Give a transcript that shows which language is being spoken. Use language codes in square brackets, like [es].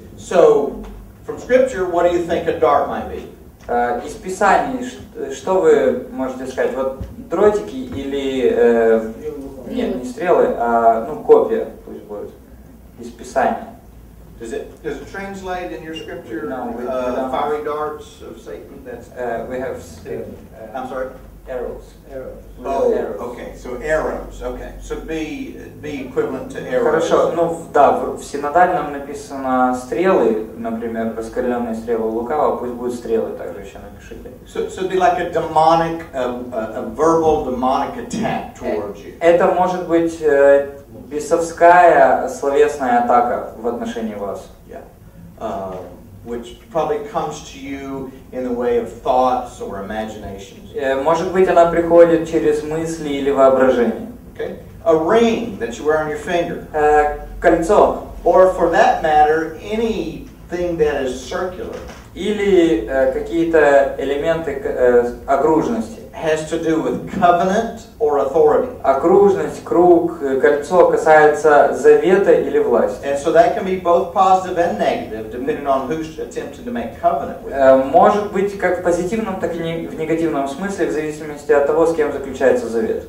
[en] So, from scripture, what do you think a dart might be? [ru] Из Писаний, что вы можете сказать? Вот дротики или... Нет, не стрелы, а копья, пусть будет. Из Писаний. [en] Does it translate in your scripture? No. Fiery darts of Satan? That's... We have... I'm sorry? Arrows. Oh, arrows. Okay. So arrows. Okay. So be equivalent to arrows. [ru] Хорошо. Ну да. В синодальном написано стрелы, например, раскаленные стрелы лукавого. Пусть будут стрелы. Также еще напишите. [en] So be like a demonic, a verbal demonic attack towards you. [ru] Это может быть бесовская словесная атака в отношении вас. [en] Yeah. Which probably comes to you in the way of thoughts or imaginations. [ru] Может быть, она приходит через мысли или воображение. [en] Okay. A ring that you wear on your finger. [ru] Кольцо. [en] Or for that matter, anything that is circular. [ru] Или какие-то элементы окружности. [en] Has to do with covenant or authority. [ru] Окружность, круг, кольцо касается завета или власти. [en] And so that can be both positive and negative, depending on who's attempting to make covenant with. [ru] Может быть как в позитивном, так и в негативном смысле, в зависимости от того, с кем заключается завет.